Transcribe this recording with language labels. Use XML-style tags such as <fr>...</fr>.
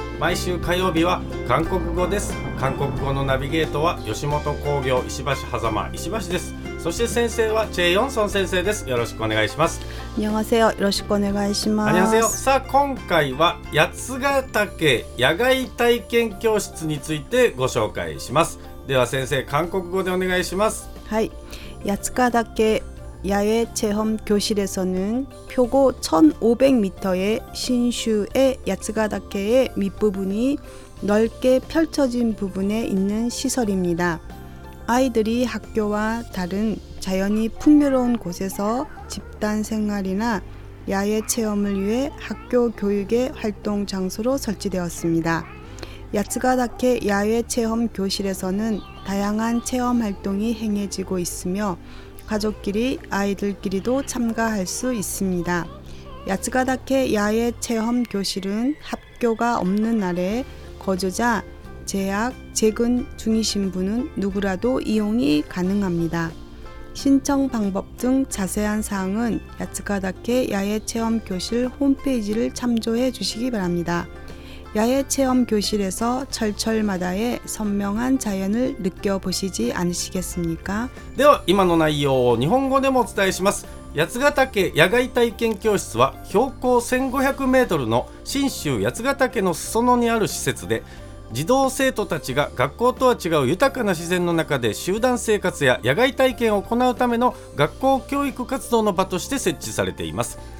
<ja>毎週火曜日は韓国語です。韓国語のナビゲートは吉本興業石橋狭間石橋です。そして先生はチェ・ヨンソン先生です。よろしくお願いします。にゃがせよ、よろしくお願いします。にゃがせよ。さあ今回は八ヶ岳野外体験教室についてご紹介します。では先生、韓国語でお願いします。はい。</ja> <ko>八ヶ岳야외체험교실에서는표고 1500m 의신슈의야츠가다케의밑부분이넓게펼쳐진부분에있는시설입니다. 아이들이 학교와 다른 자연이 풍요로운 곳에서 집단 생활이나 야외 체험을 위해 학교 교육의 활동 장소로 설치되었습니다. 야츠가다케 야외 체험 교실에서는 다양한 체험 활동이 행해지고 있으며가족끼리아이들끼리도참가할수있습니다. 야츠가다케 야외 체험 교실은 학교가 없는 날에 거주자, 재학, 재근 중이신 분은 누구라도 이용이 가능합니다. 신청 방법 등 자세한 사항은 야츠가다케 야외 체험 교실 홈페이지를 참조해 주시기 바랍니다. 야외 체험 교실에서 철철마다의 선명한 자연을 느껴보시지 않으시겠습니까?</ko> <ja>では今の内容を日本語でもお伝えします。八ヶ岳野外体験教室は標高 1500m の信州八ヶ岳の裾野にある施設で、児童生徒たちが学校とは違う豊かな自然の中で集団生活や野外体験を行うための学校教育活動の場として設置されています。</ja>